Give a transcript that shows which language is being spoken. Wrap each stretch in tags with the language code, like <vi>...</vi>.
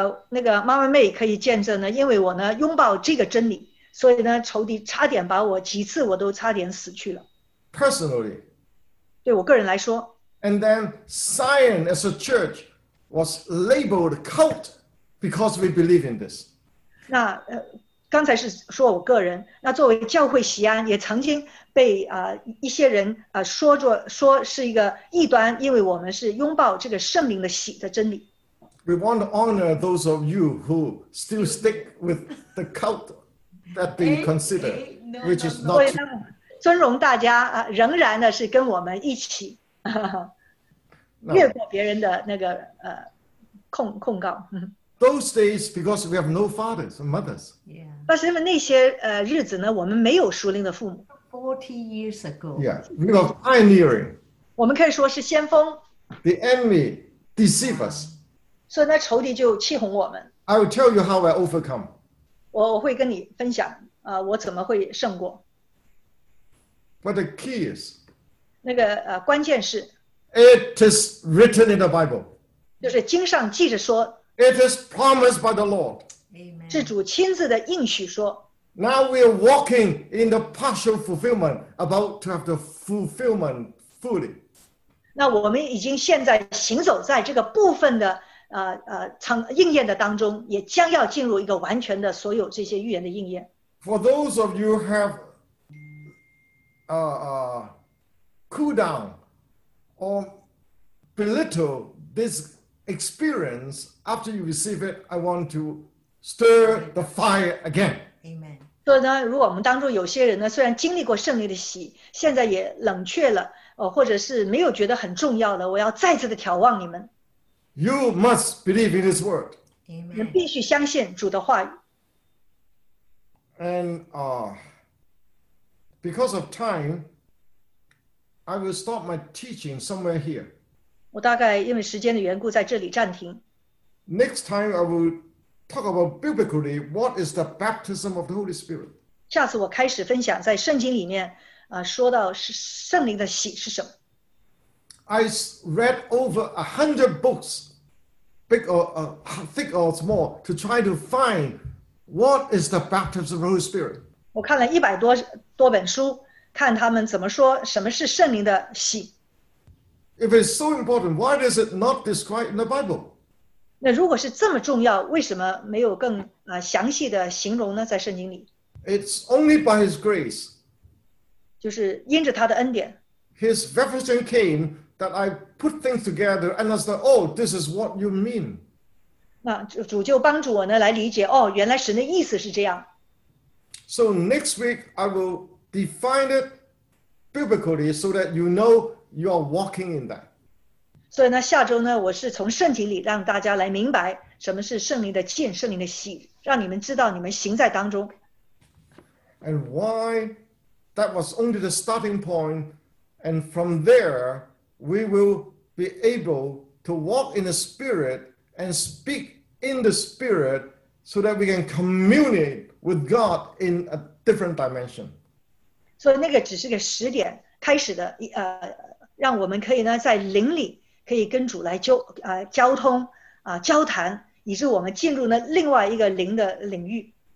<zh>那个妈妈妹可以见证呢，因为我呢拥抱这个真理，所以呢仇敌差点把我几次我都差点死去了。</zh> <en>Personally,</en> <zh>对我个人来说。</zh> <en>And then Zion as a church was labeled cult because we believe in this.</en> <zh>那刚才是说我个人，那作为教会锡安也曾经被一些人说是一个异端，因为我们是拥抱这个圣灵的洗的真理。</zh> <en>We want to honor those of you who still stick with the cult that they consider, which is not.</en> <zh>尊荣大家仍然呢是跟我们一起越过别人的那个控告。</zh> <en>Those days, because we have no fathers and mothers. Yeah.</en> <zh>但是因为那些日子呢，我们没有属灵的父母。</zh> <en>40 years ago. Yeah, we were pioneering.</en> <zh>我们可以说是先锋。</zh> <en>The enemy deceived us.</en> <zh>所以那仇敌就欺哄我们。</zh> <en>I will tell you how I overcome.</en> <zh>我会跟你分享，我怎么会胜过。</zh> <en>But the key is.</en> <zh>那个关键是。</zh> <en>It is written in the Bible.</en> <zh>就是经上记着说。</zh> <en>It is promised by the Lord. Amen.</en> <zh>是主亲自的应许说。</zh> <en>Now we are walking in the partial fulfillment, about to have the fulfillment fully.</en> <zh>那我们已经现在行走在这个部分的应验的当中，也将要进入一个完全的所有这些预言的应验。</zh> <en>For those of you who have cooled down or belittled this experience after you receive it, I want to stir the fire again. Amen.</en> <zh>所以呢，如果我们当中有些人呢，虽然经历过圣灵的洗，现在也冷却了，或者是没有觉得很重要的，我要再次的眺望你们。</zh> <en>You must believe in His word. Amen.</en> <zh>你必须相信主的话语。</zh> <en>And because of time, I will stop my teaching somewhere here.</en> <zh>我大概因为时间的缘故在这里暂停。</zh> <en>Next time I will talk about biblically what is the baptism of the Holy Spirit.</en> <zh>下次我开始分享在圣经里面说到圣灵的洗是什么。</zh> <en>I read over 100 books, big or thick or small, to try to find what is the baptism of the Holy Spirit.</en> <zh>我看了100多本书，看他们怎么说什么是圣灵的洗。</zh> <en>If it's so important, why is it not described in the Bible?</en> <zh>那如果是这么重要，为什么没有更详细的形容呢？在圣经里。</zh> <en>It's only by His grace.</en> <zh>就是因着他的恩典。</zh> <en>His revelation came that I put things together and understood. Oh, this is what you mean.</en> <zh>那主就帮助我呢来理解。哦，原来神的意思是这样。</zh> <en>So next week I will define it biblically so that you know. You are walking in that.</en> <zh>所以呢，下周呢，我是从圣经里让大家来明白什么是圣灵的浸、圣灵的洗，让你们知道你们行在当中。</zh> <en>And why that was only the starting point, and from there we will be able to walk in the Spirit and speak in the Spirit, so that we can communicate with God in a different dimension.</en> <zh>所以那个只是个始点，开始的让我们可以呢在灵里可以跟主来交通交谈，以致我们进入呢另外一个灵的领域。</zh>